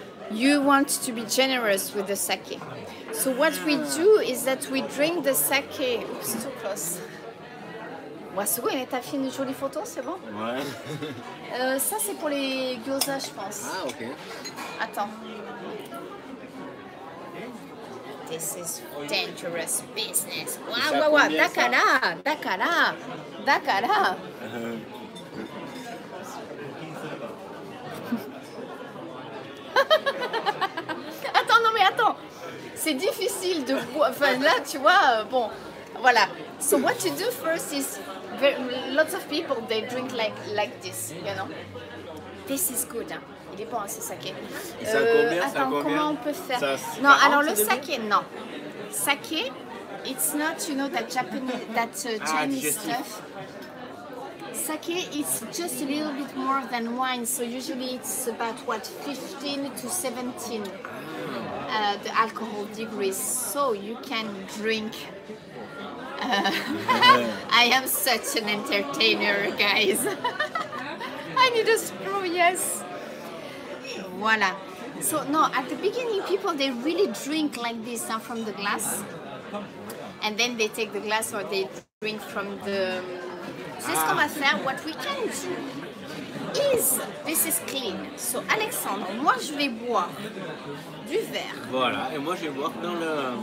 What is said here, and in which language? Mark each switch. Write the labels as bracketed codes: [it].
[en] You want to be generous with the sake. So what we do is that we drink the sake. Oops, too close. [fr] Ouais, c'est bon, t'as fait une jolie photo, c'est bon? Ouais. Ça, c'est pour les gyoza, je pense. Ah, ok. Attends. [en] This is dangerous business. Waouh, waouh, waouh, [ja] dakara, dakara, dakara. [fr] Attends, non, mais attends. C'est difficile de voir, enfin là tu vois, bon, voilà. [en] So what you do first is, lots of people, they drink like this, you know. This is good, hein. [fr] Il est bon, hein, ce saké. Attends, comment on peut faire? Non, alors le saké, non. [en] Saké, it's not, you know, that Japanese, that Chinese stuff. sake is just a little bit more than wine, so usually it's about what, 15 to 17 the alcohol degrees, so you can drink. I am such an entertainer, guys. I need a straw, yes. Voilà. So no, at the beginning people they really drink like this from the glass. And then they take the glass or they drink from the what we can do is this is clean. [fr] So Alexandre, moi je vais boire du verre. Voilà, et moi je vais boire dans le.